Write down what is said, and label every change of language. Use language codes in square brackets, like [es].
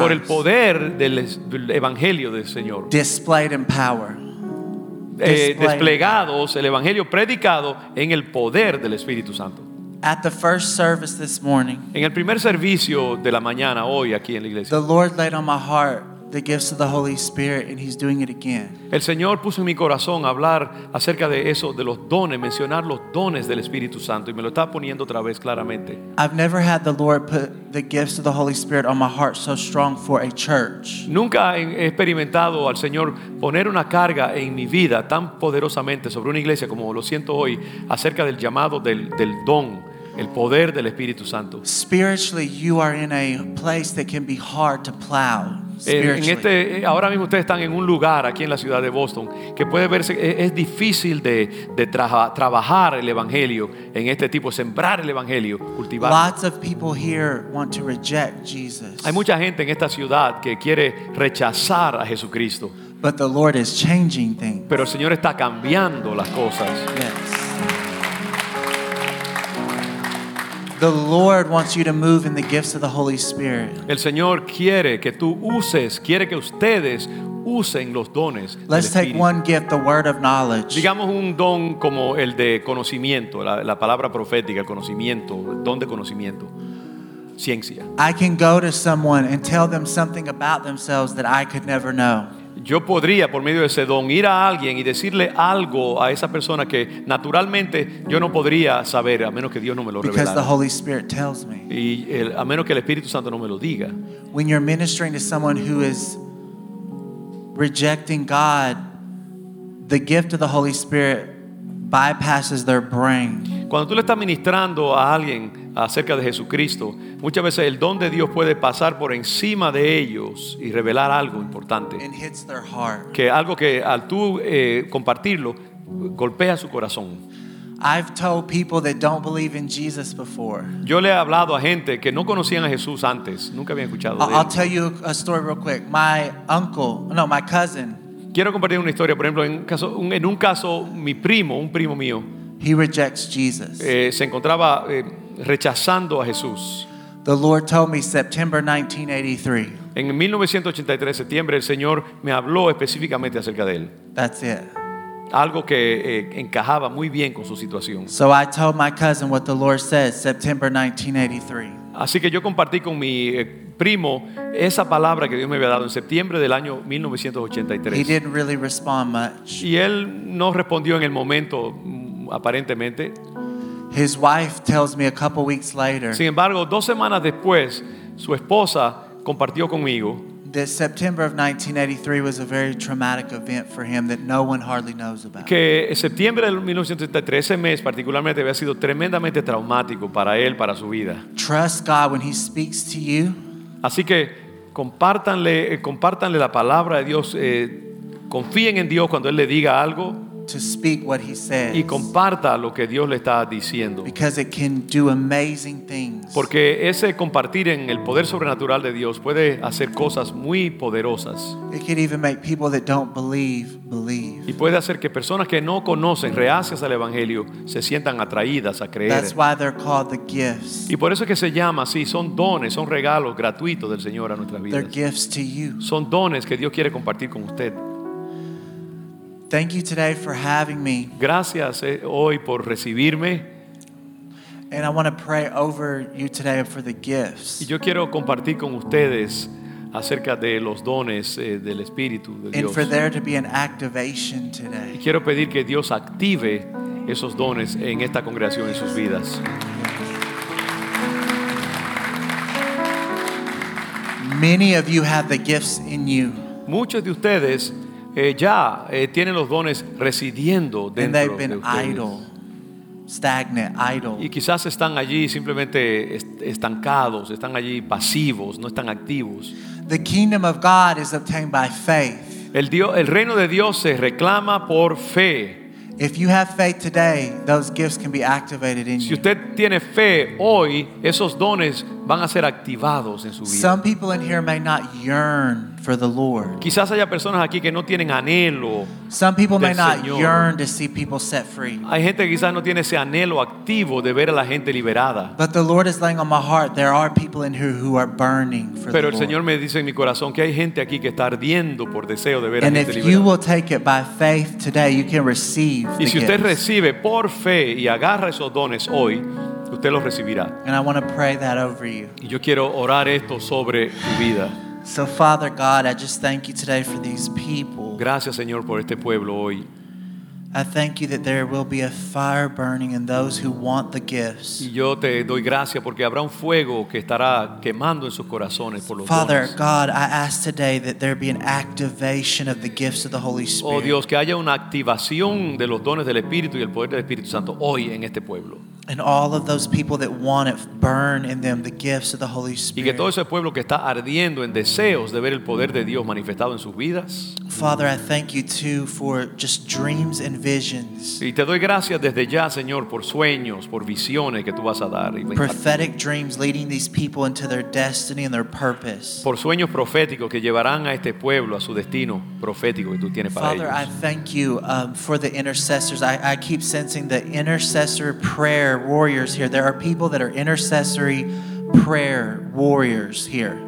[es] Por el poder del evangelio del Señor. [en] Displayed in power. [es] Desplegados el evangelio predicado en el poder del Espíritu Santo. [en] At the first service this morning. [es] En el primer servicio de la mañana hoy aquí en la iglesia. [en] The Lord laid on my heart the gifts of the Holy Spirit, and He's doing it again. [es] El Señor puso en mi corazón hablar acerca de eso, de los dones, mencionar los dones del Espíritu Santo, y me lo está poniendo otra vez claramente. [en] I've never had the Lord put the gifts of the Holy Spirit on my heart so strong for a church. [es] Nunca he experimentado al Señor poner una carga en mi vida tan poderosamente sobre una iglesia como lo siento hoy acerca del llamado del don. El poder del Espíritu Santo. [en] Spiritually, you are in a place that can be hard to plow. [es] Ahora mismo ustedes están en un lugar aquí en la ciudad de Boston que puede verse es difícil de trabajar el evangelio en este tipo, sembrar el evangelio, cultivar. [en] Lots of people here want to reject Jesus. [es] Hay mucha gente en esta ciudad que quiere rechazar a Jesucristo. [en] But the Lord is changing things. [es] Pero el Señor está cambiando las cosas. [en] Yes. The Lord wants you to move in the gifts of the Holy Spirit. [es] El Señor quiere que tú uses, quiere que ustedes usen los dones. [en] Let's take one gift, the word of knowledge. [es] Digamos un don como el de conocimiento, la palabra profética, el conocimiento, el don de conocimiento. Ciencia. [en] I can go to someone and tell them something about themselves that I could never know. [es] Yo podría, por medio de ese don, ir a alguien y decirle algo a esa persona que naturalmente yo no podría saber, a menos que Dios no me lo revelara. [en] Because the Holy Spirit tells me. [es] A menos que el Espíritu Santo no me lo diga. [en] When you're ministering to someone who is rejecting God, the gift of the Holy Spirit bypasses their brain. [es] Cuando tú le estás ministrando a alguien acerca de Jesucristo, muchas veces el don de Dios puede pasar por encima de ellos y revelar algo importante. [en] And hits their heart. [es] Que algo que al tú compartirlo golpea su corazón. [en] I've told people that don't believe in Jesus before. [es] Yo le he hablado a gente que no conocían a Jesús antes, nunca había escuchado de él. [en] I'll tell you a story real quick. My cousin. [es] Quiero compartir una historia. Por ejemplo, en un caso, un primo mío, [en] he rejects Jesus. [es] Se encontraba rechazando a Jesús. [en] The Lord told me September 1983. [es] En 1983, septiembre, el Señor me habló específicamente acerca de él. [en] That's it. [es] Algo que encajaba muy bien con su situación. [en] So I told my cousin what the Lord said September 1983. [es] Así que yo compartí con mi primo esa palabra que Dios me había dado en septiembre del año 1983. [en] He didn't really respond much. [es] Y él no respondió en el momento, aparentemente. [en] His wife tells me a couple weeks later. [es] Sin embargo, dos semanas después, su esposa compartió conmigo. [en] The September of 1983 was a very traumatic event for him that no one hardly knows about. [es] Que septiembre del 1983, ese mes particularmente, había sido tremendamente traumático para él, para su vida. [en] Trust God when He speaks to you. [es] Así que compártanle la palabra de Dios, confíen en Dios cuando Él le diga algo. [en] To speak what He says. [es] Y comparta lo que Dios le está diciendo. [en] Because it can do amazing things. [es] Porque ese compartir en el poder sobrenatural de Dios puede hacer cosas muy poderosas. [en] It can even make people that don't believe, believe. [es] Y puede hacer que personas que no conocen, reacias al Evangelio, se sientan atraídas a creer. [en] That's why they're called the gifts. [es] Y por eso es que se llama así, son dones, son regalos gratuitos del Señor a nuestras vidas. [en] They're gifts to you. [es] Son dones que Dios quiere compartir con usted. [en] Thank you today for having me. [es] Gracias hoy por recibirme. [en] And I want to pray over you today for the gifts. [es] Y yo quiero compartir con ustedes acerca de los dones del Espíritu de Dios. [en] And for there to be an activation today. [es] Y quiero pedir que Dios active esos dones en esta congregación, en sus vidas. [en] Many of you have the gifts in you. [es] Muchos de ustedes tienen los dones residiendo dentro de ustedes. [en] Idle, stagnant, idle. [es] Y quizás están allí simplemente estancados, están allí pasivos, no están activos. [en] The kingdom of God is obtained by faith. [es] El reino de Dios se reclama por fe. [en] If you have faith today, those gifts can be activated in you. [es] Si usted tiene fe hoy, esos dones van a ser activados en su vida. [en] Some people in here may not yearn for the Lord. [es] Quizás haya personas aquí que no tienen anhelo. [en] Some people may not yearn to see people set free. [es] Hay gente que quizás no tiene ese anhelo activo de ver a la gente liberada. [en] But the Lord is laying on my heart there are people in here who are burning for the Lord. [es] Pero el Señor me dice en mi corazón que hay gente aquí que está ardiendo por deseo de ver a gente liberada. [en] And if you will take it by faith today, you can receive. [es] Y si usted recibe por fe y agarra esos dones hoy, usted los recibirá. [en] And I want to pray that over you. [es] Y yo quiero orar esto sobre tu vida. [en] So Father God, I just thank you today for these people. [es] Gracias, Señor, por este pueblo hoy. [en] I thank you that there will be a fire burning in those who want the gifts. [es] Y yo te doy gracias porque habrá un fuego que estará quemando en sus corazones por los [en] Father [es] dones. [en] God, I ask today that there be an activation of the gifts of the Holy Spirit. [es] Oh Dios, que haya una activación de los dones del Espíritu y el poder del Espíritu Santo hoy en este pueblo. [en] And all of those people that want it burn in them the gifts of the Holy Spirit. [es] Y que todo ese pueblo que está ardiendo en deseos de ver el poder de Dios manifestado en sus vidas. [en] Father, I thank you too for just dreams and visions. [es] Y te doy gracias desde ya, Señor, por sueños, por visiones que tú vas a dar. [en] Prophetic dreams leading these people into their destiny and their purpose. [es] Por sueños proféticos que llevarán a este pueblo a su destino profético que tú tienes para ellos. [en] Father, I thank you for the intercessors. I keep sensing the intercessor prayer warriors here. There are people that are intercessory prayer warriors here.